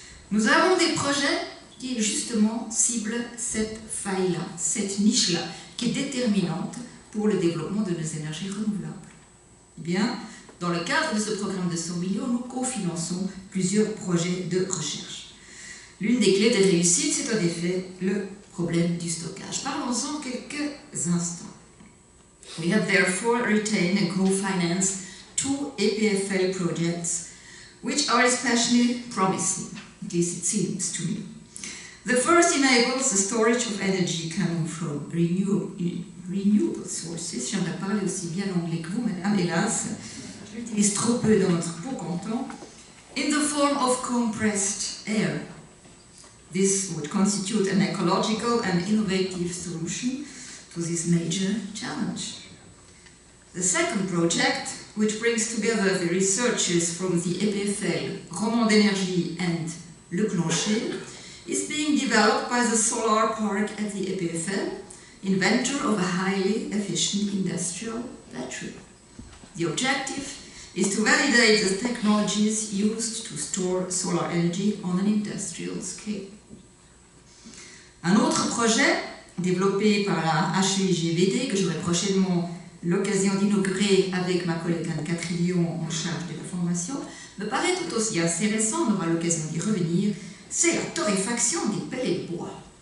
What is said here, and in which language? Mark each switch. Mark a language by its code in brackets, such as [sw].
[fr] Nous avons des projets qui, justement, ciblent cette faille-là, cette niche-là, qui est déterminante pour le développement de nos énergies renouvelables. Eh bien, dans le cadre de ce programme de 100 millions, nous cofinançons plusieurs projets de recherche. L'une des clés de réussite, c'est en effet le problème du stockage. Parlons-en quelques instants. [en] We have therefore retained and co-financed two EPFL projects, which are especially promising. At least it seems to me. The first enables the storage of energy coming from renewable sources. [fr] J'en ai parlé aussi bien l'anglais que vous, madame, hélas, je l'utilise trop peu dans notre beau canton, [en] in the form of compressed air. This would constitute an ecological and innovative solution to this major challenge. The second project, which brings together the researchers from the EPFL, Romand d'Energie and Le Clancher, is being developed by the solar park at the EPFL, inventor of a highly efficient industrial battery. The objective is to validate the technologies used to store solar energy on an industrial scale. [fr] Un autre projet, développé par la HEIGVD, que j'aurai prochainement l'occasion d'inaugurer avec ma collègue Anne-Catherine Lyon en charge de la formation, me paraît tout aussi assez récent, on aura l'occasion d'y revenir, c'est la torréfaction des pellets de bois.